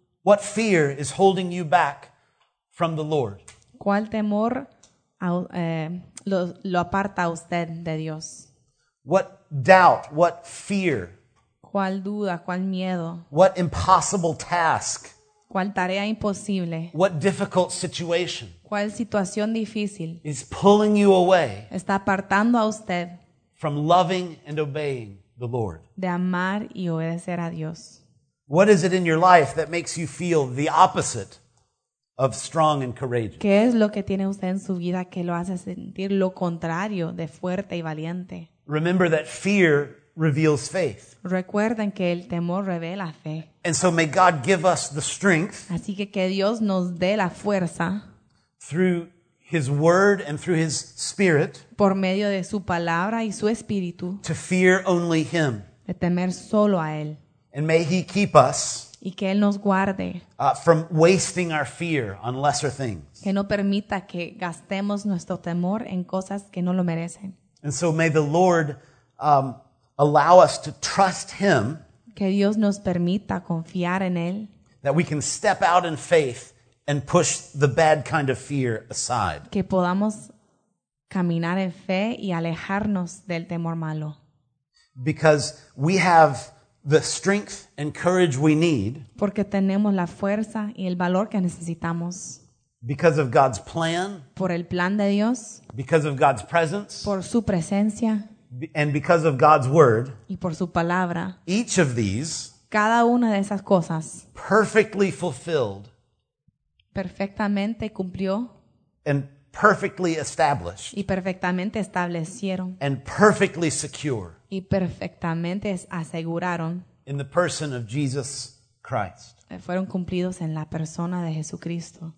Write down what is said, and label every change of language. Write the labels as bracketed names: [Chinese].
[English] What fear is holding you back from the Lord? [Spanish] ¿Cuál temor lo aparta usted de Dios? [English] What doubt, what fear? [Spanish] ¿Cuál duda, cuál miedo? [English] What impossible task? [Spanish] ¿Cuál tarea imposible? [English] What difficult situation? [Spanish] ¿Cuál situación difícil? [English] Is pulling you away? [Spanish] Está apartando a usted. [English] From loving and obeying the Lord. [Spanish] De amar y obedecer a Dios. [English] What is it in your life that makes you feel the opposite of strong and courageous? [Spanish] ¿Qué es lo que tiene usted en su vida que lo hace sentir lo contrario de fuerte y valiente? [English] Remember that fear reveals faith. [Spanish] Recuerden que el temor revela fe. [English] And so may God give us the strength. [Spanish] Así que Dios nos dé la fuerza. [English] Through his word and through his spirit. [Spanish] Por medio de su palabra y su espíritu. [English] To fear only him. [Spanish] De temer solo a él. [English] And may he keep us. [Spanish] Y que él nos guarde. [English] From wasting our fear on lesser things. [Spanish] Que no permita que gastemos nuestro temor en cosas que no lo merecen. [English] And so may the Lord allow us to trust him. [Spanish] Que Dios nos permita confiar en él. [English] That we can step out in faith and push the bad kind of fear aside. [Spanish] Que podamos caminar en fe y alejarnos del temor malo. [English] Because we have the strength and courage we need. [Spanish] Porque tenemos la fuerza y el valor que necesitamos. [English] Because of God's plan. [Spanish] Por el plan de Dios. [English] Because of God's presence. [Spanish] Por su presencia. [English] And because of God's word. [Spanish] Y por su palabra. [English] Each of these. [Spanish] Cada una de esas cosas. [English] Perfectly fulfilled. [Spanish] Perfectamente cumplió. [English] And perfectly established. [Spanish] Y perfectamente establecieron. [English] And perfectly secure. [Spanish] Y perfectamente aseguraron. [English] In the person of Jesus Christ. [Spanish] Fueron cumplidos en la persona de Jesucristo.